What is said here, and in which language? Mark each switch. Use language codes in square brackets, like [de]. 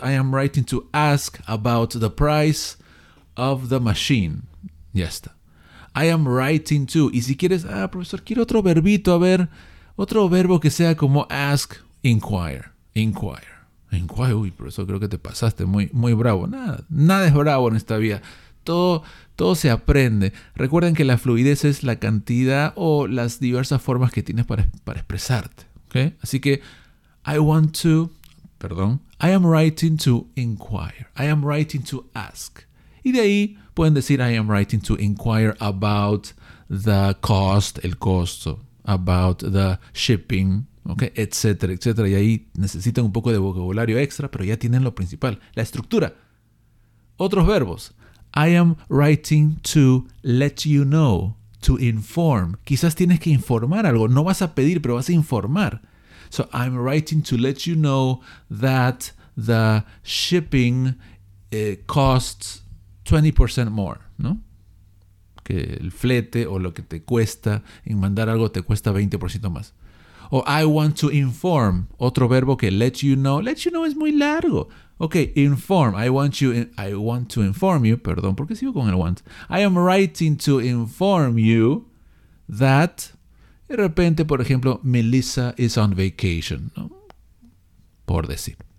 [en] I am writing to ask about the price of the machine. [es] Ya está. [en] I am writing to. [es] Y si quieres, profesor, quiero otro verbito. A ver, otro verbo que sea como ask, inquire. Inquire. Inquire. Uy, profesor, creo que te pasaste. Muy, muy bravo. Nada es bravo en esta vida. Todo se aprende. Recuerden que la fluidez es la cantidad o las diversas formas que tienes para expresarte. [en] ¿Okay? [es] Así que, [en] I am writing to inquire. I am writing to ask. [es] Y de ahí pueden decir, [en] I am writing to inquire about the cost, [es] el costo, [en] about the shipping, ¿okay? [es] Etcétera, etcétera. Y ahí necesitan un poco de vocabulario extra, pero ya tienen lo principal, la estructura. Otros verbos. [en] I am writing to let you know, to inform. [es] Quizás tienes que informar algo. No vas a pedir, pero vas a informar. [en] So I'm writing to let you know that the shipping costs 20% more, ¿no? [es] Que el flete o lo que te cuesta en mandar algo te cuesta 20% más. [en] O I want to inform, [es] otro verbo que [en] let you know. Let you know [es] es muy largo. [en] Ok, inform. I want to inform you, [es] porque sigo con el [en] want. I am writing to inform you that, [es] de repente, por ejemplo, [en] Melissa is on vacation, ¿no? [es] Por decir.